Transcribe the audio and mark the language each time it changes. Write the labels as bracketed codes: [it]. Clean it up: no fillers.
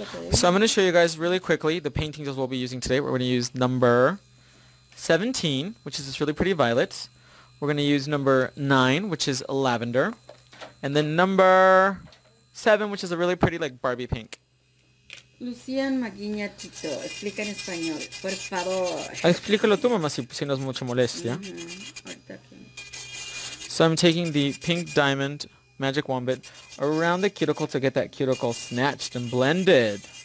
[en] So I'm going to show you guys really quickly the painting tools we'll be using today. We're going to use number 17, which is this really pretty violet. We're going to use number 9, which is a lavender. And then number 7, which is a really pretty like Barbie pink. [es] Lucian Maguña Tito, explica en español, por favor. Explícalo tú, mamá, si no es mucha molestia. [en] So I'm taking the pink diamond magic wand bit around the cuticle to get that cuticle snatched and blended.